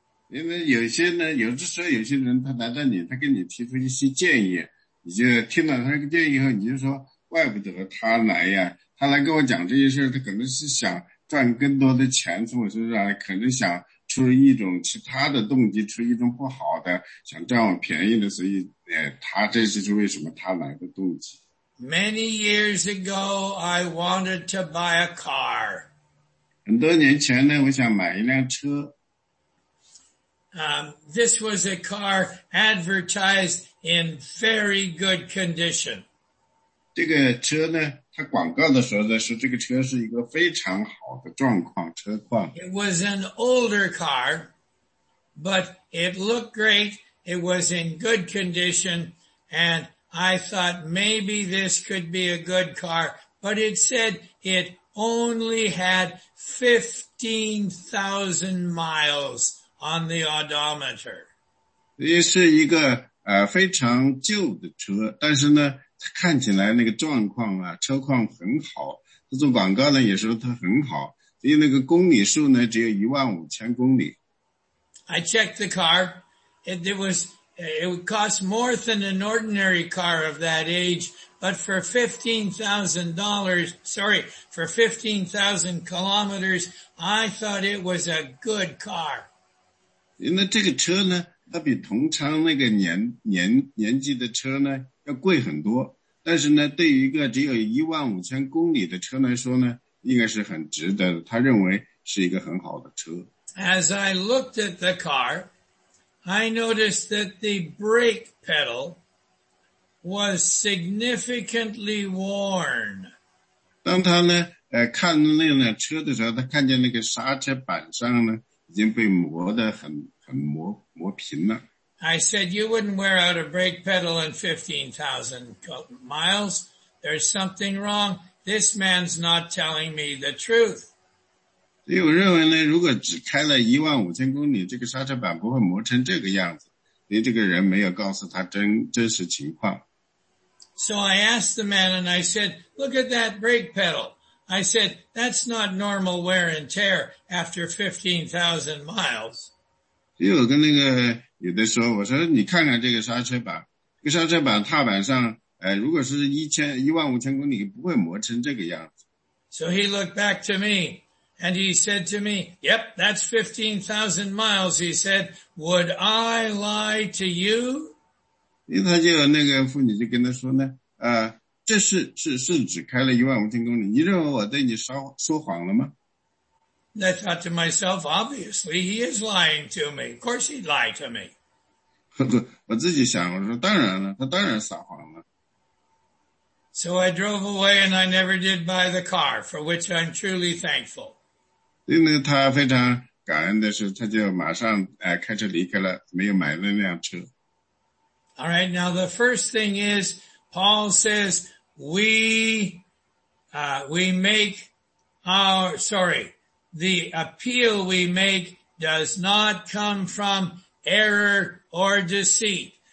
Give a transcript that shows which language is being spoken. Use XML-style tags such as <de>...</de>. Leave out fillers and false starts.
<zh>因为有些呢，有的时候有些人他来到你，他跟你提出一些建议，你就听了他这个建议以后，你就说怪不得他来呀，他来跟我讲这些事，他可能是想赚更多的钱从我身上，可能想出一种其他的动机，出一种不好的想占我便宜的，所以他这就是为什么他来的动机。</zh> <en>Many years ago I wanted to buy a car.</en> <zh>很多年前呢，我想买一辆车。</zh> <en>This was a car advertised in very good condition.</en> <zh>这个车呢，它广告的时候呢，说这个车是一个非常好的状况，车况。</zh> <en>It was an older car, but it looked great. It was in good condition, and I thought maybe this could be a good car, but it said it only had 15,000 miles. On the odometer.</en> <zh>也是一个非常旧的车，但是呢它看起来那个状况啊，车况很好。它做广告呢也说它很好，因为那个公里数呢只有15,000公里。</zh> <en>I checked the car. It would cost more than an ordinary car of that age, but for for 15,000 kilometers, I thought it was a good car.</en> <zh>因为这个车呢，它比同厂那个年纪的车呢要贵很多，但是呢，对于一个只有15,000公里的车来说呢，应该是很值得的。他认为是一个很好的车。</zh> <en>As I looked at the car, I noticed that the brake pedal was significantly worn.</en> <zh>当他呢，看那辆车的时候，他看见那个刹车板上呢。已经被磨得很磨平了。</zh> <en>I said, "You wouldn't wear out a brake pedal in 15,000 miles. There's something wrong. This man's not telling me the truth."</en> <zh>所以我认为呢，如果只开了一万五千公里，这个刹车板不会磨成这个样子，因为这个人没有告诉他真实情况。</zh> <en>So I asked the man and I said, look at that brake pedal. I said, that's not normal wear and tear after 15,000 miles.</en> <zh>所以我跟那个有的说，我说你看看这个刹车板，这个刹车板踏板上，如果是一万五千公里，不会磨成这个样子。</zh> <en>So he looked back to me and he said to me, yep, that's 15,000 miles. He said, would I lie to you?</en> <zh>因为他就那个妇女就跟他说呢，这是只开了一万五千公里，你认为我对你说谎了吗？</zh> <en>And I thought to myself, obviously he is lying to me. Of course he'd lie to me.</en> <zh>我自己想，我说当然了，他当然撒谎了。</zh> <en>So I drove away and I never did buy the car, for which I'm truly thankful.</en> <zh>因为他非常感恩的是，他就马上开车离开了，没有买那辆车。</zh> <en>All right, now the first thing is, Paul says, the appeal we make does not come from error or deceit.</en>